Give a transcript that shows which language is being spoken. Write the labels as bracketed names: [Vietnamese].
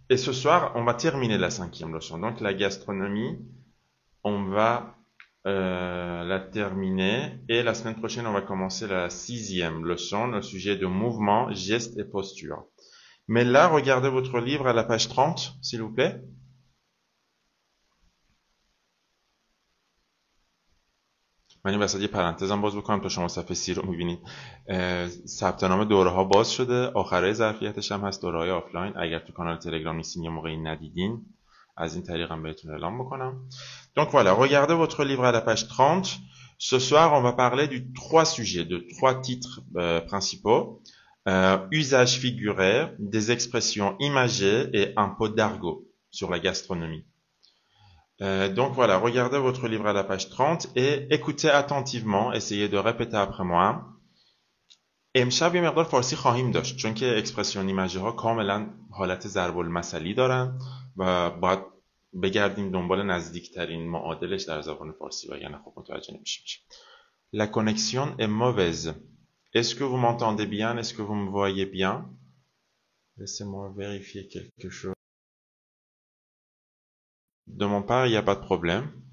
[French] Et ce soir, on va terminer la cinquième leçon. Donc la gastronomie, on va la terminer. Et la semaine prochaine, on va commencer la sixième leçon, le sujet de mouvement, gestes et postures. Mais là, regardez votre livre à la page 30, s'il vous plaît. [Persian] من وسط یه پرانتزم باز بکنم تا شما صفحه سی رو میبینید. ثبت نام دوره ها باز شده، آخره ظرفیتش هم هست، دوره های آفلاین. اگر تو کانال تلگرام نیستین یه موقعی ندیدین، از این طریق هم بهتون اعلام بکنم. [French] Donc voilà, regardez votre livre à la page 30. Ce soir, on va parler du trois sujets, de trois titres principaux. Usage figuré, des expressions imagées et un pot d'argot sur la gastronomie. Donc voilà, regardez votre livre à la page 30 et écoutez attentivement, essayez de répéter après moi. [Persian] امشب یه مقدار فارسی خواهیم داشت چون که اکسپرسیون ایمیج‌ها کاملا حالت ضرب المثلی دارن و باید بگردیم دنبال نزدیکترین معادلش در زبان فارسی و یعنی خب متوجه نمیشیم. [French] La connexion est mauvaise. Est-ce que vous m'entendez bien? Est-ce que vous me voyez bien? Laissez-moi vérifier quelque chose. De mon part, il n'y a pas de problème.